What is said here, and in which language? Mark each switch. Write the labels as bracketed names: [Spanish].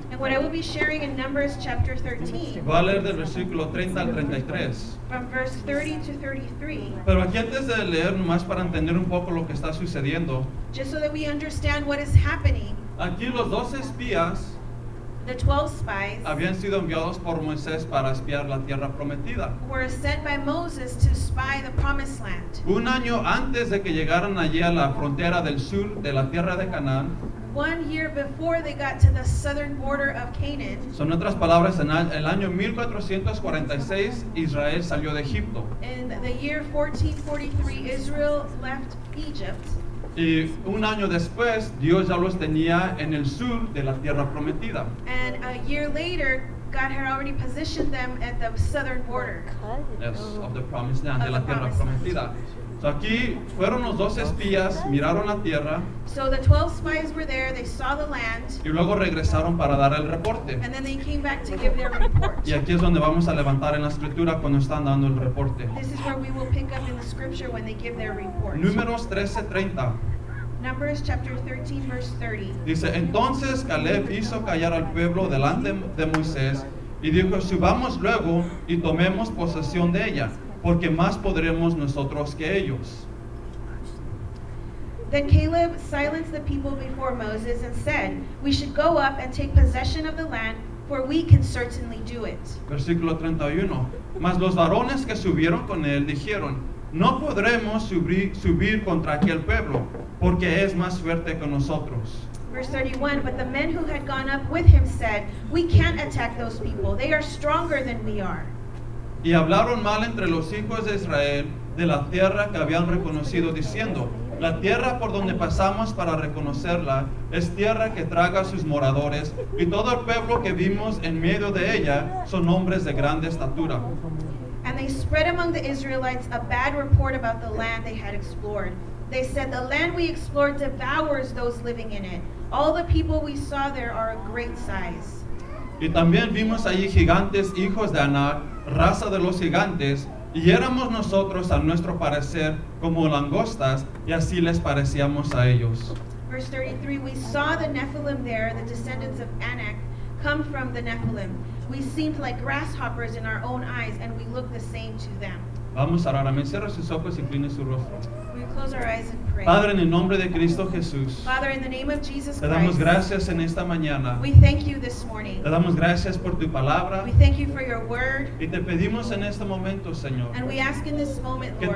[English] And what I will be sharing in Numbers chapter 13. [Spanish] Voy a leer del versículo 30 al 33. [English] From verse 30 to 33. [Spanish] Pero aquí antes de leer, nomás para entender un poco lo que está sucediendo. [English] Just so that we understand what is happening. [Spanish] Aquí los 12 espías, [English] the 12 spies, [Spanish] habían sido enviados por Moisés para espiar la tierra prometida. [English] Were sent by Moses to spy the promised land. [Spanish] Un año antes de que llegaran allí a la frontera del sur de la tierra de Canaán. [English] One year before they got to the southern border of Canaan. [Spanish] Son otras palabras, en el año 1446 Israel salió de Egipto. [English] In the year 1443 Israel left Egypt. [Spanish] Y un año después, Dios ya los tenía en el sur de la tierra prometida. [English] And a year later, God had already positioned them at the southern border. Yes, of the promised land, [Spanish] de la tierra prometida. So aquí fueron los 12 espías, miraron la tierra. [English] So the 12 spies were there, they saw the land. [Spanish] Y luego regresaron para dar el reporte. [English] And then they came back to give their report. [Spanish] Y aquí es donde vamos a levantar en la escritura cuando están dando el reporte. [English] This is where we will pick up in the scripture when they give their report. [Spanish] Números 13:30. [English] Numbers chapter 13, verse 30. [Spanish] Dice, entonces Caleb hizo callar al pueblo delante de Moisés y dijo, subamos luego y tomemos posesión de ella, porque más podremos nosotros que ellos. [English] Then Caleb silenced the people before Moses and said, we should go up and take possession of the land, for we can certainly do it. [Spanish] Versículo 31. Mas los varones que subieron con él dijeron, no podremos subir contra aquel pueblo, porque es más fuerte que nosotros. [English] Verse 31, but the men who had gone up with him said, we can't attack those people. They are stronger than we are. [Spanish] Y hablaron mal entre los hijos de Israel de la tierra que habían reconocido, diciendo, la tierra por donde pasamos para reconocerla es tierra que traga a sus moradores, y todo el pueblo que vimos en medio de ella son hombres de grande estatura. [English] And they spread among the Israelites a bad report about the land they had explored. They said, the land we explored devours those living in it. All the people we saw there are a great size. [Spanish] Y también vimos allí gigantes, hijos de Anak, raza de los gigantes, y éramos nosotros, a nuestro parecer, como langostas, y así les parecíamos a ellos. [English] Verse 33, we saw the Nephilim there, the descendants of Anak, come from the Nephilim. We seemed like grasshoppers in our own eyes, and we looked the same to them. [Spanish] Vamos a orar. Cierra sus ojos y incline su rostro. [English] We close our eyes and pray. pray. [Spanish] Padre, en el nombre de Cristo Jesús. [English] Father, in the name of Jesus Christ. [Spanish] Te damos gracias en esta mañana. [English] We thank you this morning. [Spanish] Te damos gracias por tu palabra. [English] We thank you for your word. [Spanish] Y te pedimos en este momento, Señor. [English] And we ask in this moment, Lord.